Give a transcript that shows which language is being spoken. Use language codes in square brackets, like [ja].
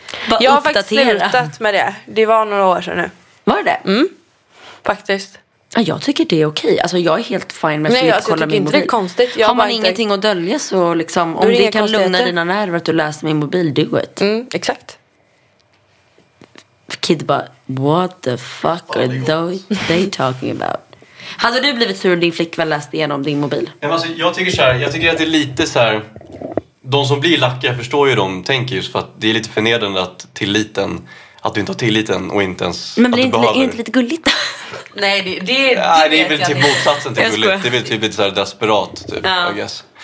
[sv] Bara jag har uppdatera. Faktiskt slutat med det. Det var några år sedan nu. Var det? Mm. Faktiskt. Ja, jag tycker det är okej. Alltså jag är helt fine med att kolla min mobil. Nej, jag tycker inte det är konstigt. Har man ingenting att dölja så liksom om det kan lugna dina nerver att du läser min mobil, [en] do it. [sv] Mm, exakt. [en] Kid [sv] bara, [en] what the fuck are they talking about? [sv] Hade du blivit sur om din flickvän läste igenom din mobil? Alltså, jag tycker så här, jag tycker att det är lite så här. De som blir lackiga förstår ju dem, tänker ju. För att det är lite förnedrande att tilliten, att du inte har tilliten och inte ens men att du inte, behöver. Men är inte lite gulligt? Nej, det är väl typ motsatsen till gulligt. Det är väl typ lite så här desperat, typ, ja. [en] I guess.